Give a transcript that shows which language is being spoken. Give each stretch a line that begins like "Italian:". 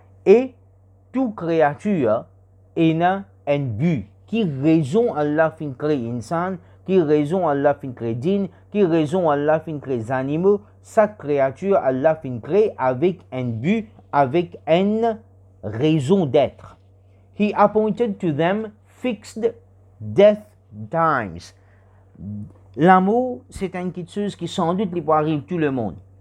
French: Et toute créature est dans un but. Qui raison Allah fin créer insan, qui raison Allah fin créer djinn, qui raison Allah fin créer les animaux, chaque créature Allah fin créer avec un but, avec une raison d'être.
English: He appointed to them fixed death times.
French: L'amour, c'est une quelque chose qui sans doute peut arriver à tout le monde.